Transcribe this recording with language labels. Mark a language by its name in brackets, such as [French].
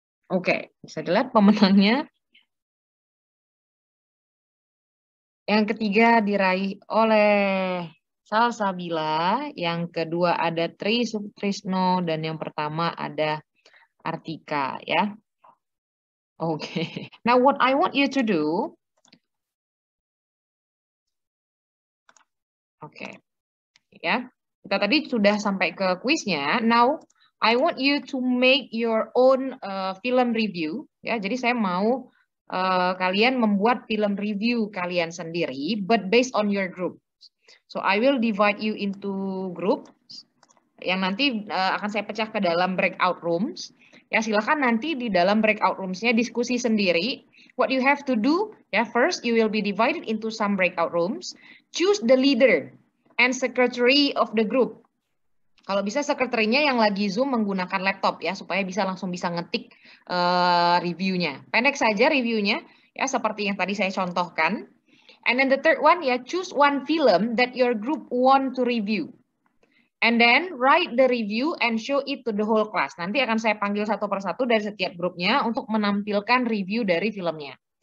[Indonesian] Oke, bisa dilihat pemenangnya. Yang ketiga diraih oleh Salsabila, yang kedua ada Tri Sutrisno, dan yang pertama ada Artika, ya. Oke. [English] Okay. Now what I want you to do. [Indonesian] Oke. Okay. Ya. Kita tadi sudah sampai ke kuisnya. [English] Now I want you to make your own film review, ya. [Indonesian] Jadi saya mau kalian membuat film review kalian sendiri [English] but based on your group. So I will divide you into groups [Indonesian] yang nanti akan saya pecah ke dalam [English] breakout rooms. [Indonesian] Ya, silakan nanti di dalam breakout rooms-nya diskusi sendiri. [English] What you have to do, ya, first you will be divided into some breakout rooms. Choose the leader and secretary of the group. [Indonesian] Kalau bisa sekretarinya yang lagi Zoom menggunakan laptop, ya, supaya bisa langsung bisa ngetik review-nya. Pendek saja review-nya, ya, seperti yang tadi saya contohkan. [English] And then the third one, ya, choose one film that your group want to review. And then write the review and show it to the whole class. [Indonesian] Nanti akan saya panggil satu per satu dari setiap grupnya untuk menampilkan review dari filmnya.